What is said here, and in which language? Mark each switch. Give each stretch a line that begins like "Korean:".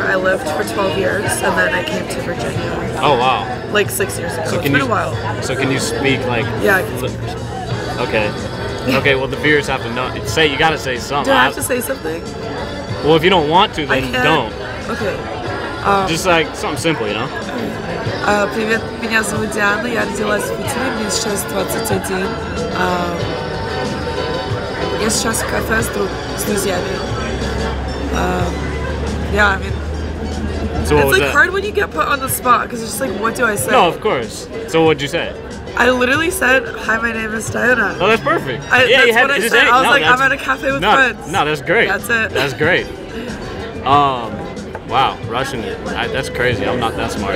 English: I lived for 12 years and then I came to Virginia. Oh, wow. Like 6 years ago. So it's been a while. So can you speak like... Yeah, I can speak. Okay. Okay, well the viewers have to know. You gotta say something. Do I have to say something? Well, if you don't want to, then don't. Okay. Just like something simple, you know?
Russian: Привет, меня зовут Диана, я родилась в Питере, мне сейчас 21. Я сейчас в кафе с друзьями.
English: So it's like that? Hard when you get put on the spot, because it's just like, what do I say? No, of course. So what'd you say? I literally said, hi, my name is Diana. Oh, that's perfect. I'm at a cafe with friends. No, that's great. That's it. That's great. Wow, Russian, that's crazy. I'm not that smart.